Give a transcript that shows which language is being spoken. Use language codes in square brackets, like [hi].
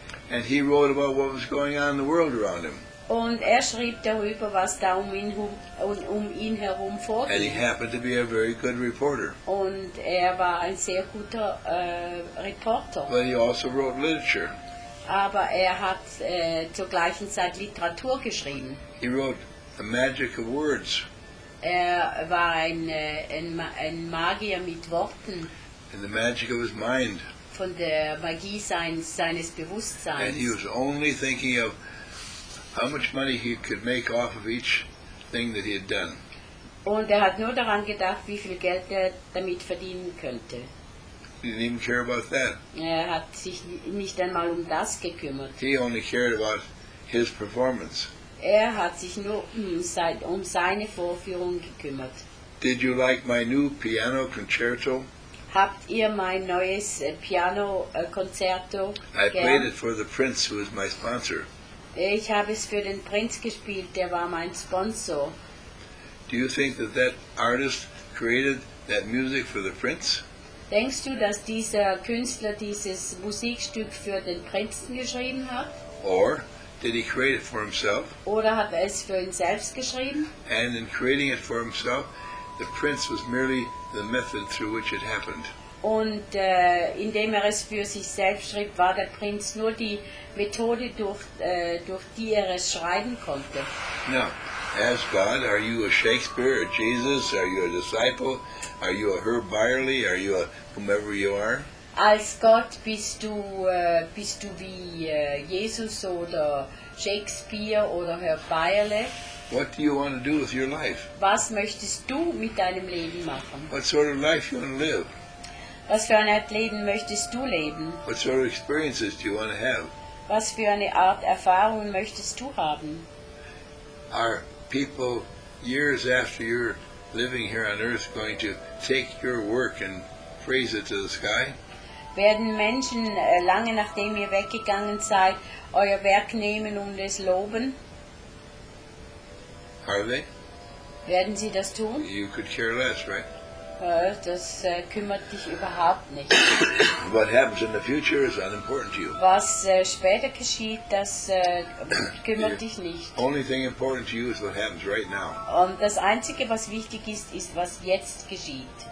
[en] And he wrote about what was going on in the world around him. [de] Und er schrieb darüber, was da um ihn herum vorging. [en] And he happened to be a very good reporter. [de] Und er war ein sehr guter Reporter. [en] But he also wrote literature. [de] Aber er hat zur gleichen Zeit Literatur geschrieben. [en] He wrote The Magic of Words. [de] Er war ein Magier mit Worten. [en] And The Magic of His Mind. [de] Von der Magie seines Bewusstseins. [en] And he was only thinking of how much money he could make off of each thing that he had done. [de] Und er hat nur daran gedacht, wie viel Geld er damit verdienen könnte. [en] He didn't even care about that. [de] Er hat sich nicht einmal um das gekümmert. [en] He only cared about his performance. [de] Er hat sich nur um seine Vorführung gekümmert. [en] Did you like my new piano concerto? [de] Habt ihr mein neues Piano Concerto? [en] I played it for the Prince, who is my sponsor. [de] Ich habe es für den Prinz gespielt, der war mein Sponsor. [en] Do you think that that artist created that music for the Prince? [de] Denkst du, dass dieser Künstler dieses Musikstück für den Prinzen geschrieben hat? [en] Or did he create it for himself? [de] Oder hat er es für ihn selbst geschrieben? [en] And in creating it for himself, the Prince was merely the method through which it happened. [de] Und indem er es für sich selbst schrieb, war der Prinz nur die Methode, durch die er es schreiben konnte. [en] Now, ask God, are you a Shakespeare, a Jesus, are you a disciple, are you a Herb Byerly, are you a whomever you are? [de] Als Gott bist du wie Jesus oder Shakespeare oder Herb Byerly? [en] What do you want to do with your life? [de] Was möchtest du mit deinem Leben machen? [en] What sort of life you want to live? [de] Was für eine Art Leben möchtest du leben? [en] What sort of experiences do you want to have? [de] Was für eine Art Erfahrung möchtest du haben? [en] Are people years after you're living here on earth going to take your work and praise it to the sky? [de] Werden Menschen lange nachdem ihr weggegangen seid euer Werk nehmen und es loben? [en] Are they? [de] Werden sie das tun? [en] You could care less, right? [de] Das kümmert dich überhaupt nicht. [en] What happens in the future is unimportant to you. [de] Was später geschieht, das kümmert dich nicht. [en] Only thing important to you is what happens right now. [de] Und das Einzige, was wichtig ist, ist, was jetzt geschieht.